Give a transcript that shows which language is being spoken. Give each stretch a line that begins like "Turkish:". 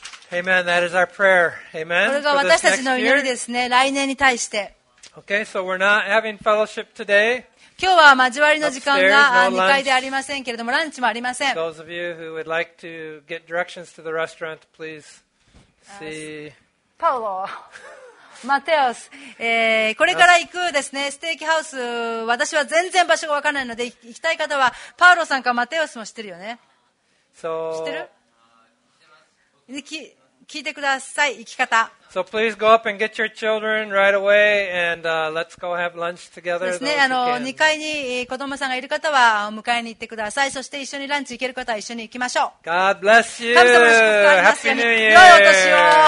English: Amen. That is our prayer. Amen.
Japanese: これが私たちの祈りですね。来年に対して。
English: Okay, so we're not having fellowship today.
Japanese: 今日は交わりの時間が2階でありませんけれども、ランチもありません。
English: Those of you who would like to get directions to the restaurant, please see. Paolo, Mateos.
Japanese: これから行くですね、ステーキハウス。私は全然場所がわからないので、行きたい方はパウロさんかマテオスも知ってるよね。
English: So,
Japanese: 知ってる？聞いてください、生き方。
English: So please go up and get your children right away and let's go have lunch together.
Japanese: ですね、2階に子供さんがいる方は迎えに行ってください。そして一緒にランチ行ける方は一緒に行きましょう。
English: God bless you.
Japanese: 神様の祝福がありますように。良いお年を。